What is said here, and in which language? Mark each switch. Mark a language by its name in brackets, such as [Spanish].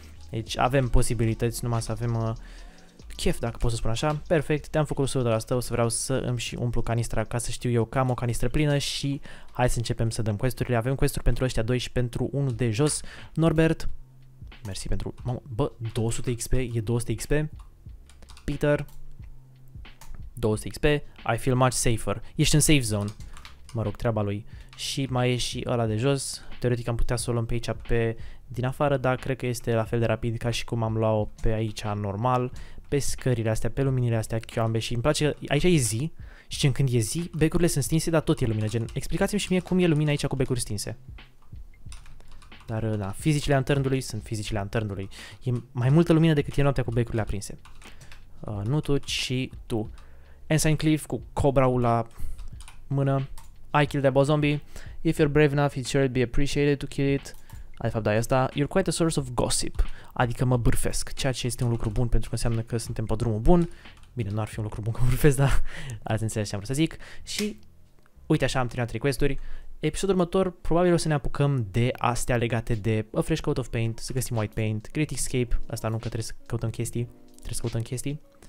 [Romanian] Deci avem posibilități, numai să avem chef, dacă pot să spun așa. Perfect, te-am făcut 100%, o să vreau să îmi și umplu canistra ca să știu eu că am o canistră plină și hai să începem să dăm questurile. Avem questuri pentru ăștia doi și pentru unul de jos, Norbert. Mersi pentru... Bă, 200 XP, e 200 XP. [English] Peter, 200 XP, I feel much safer. [Romanian] Ești în safe zone, mă rog, treaba lui. Și mai e și ăla de jos. Teoretic am putea să o luăm pe aici pe... din afară, dar cred că este la fel de rapid ca și cum am luat-o pe aici normal, pe scările astea, pe luminile astea chioambe și îmi place că aici e zi și gen când e zi, becurile sunt stinse, dar tot e lumină, gen, explicați-mi și mie cum e lumina aici cu becuri stinse. Dar, da, fizicile antărndului sunt fizicile antărndului. E mai multă lumină decât e noaptea cu becurile aprinse. Nu tu, ci tu. Ensign Cliff cu cobra-ul la mână. [English] I killed a boss zombie. If you're brave enough, it surely be appreciated to kill it. [Romanian] De fapt, da, asta, [English] you're quite a source of gossip, [Romanian] adică mă bârfesc, ceea ce este un lucru bun pentru că înseamnă că suntem pe drumul bun. Bine, nu ar fi un lucru bun că bârfesc, dar ați înțeles ce am vrut să zic. Și uite așa, am terminat trei questuri. Episodul următor, probabil o să ne apucăm de astea legate de [English] a fresh coat of paint, [Romanian] să găsim white paint, Criticscape, asta nu, că trebuie să căutăm chestii, trebuie să căutăm chestii.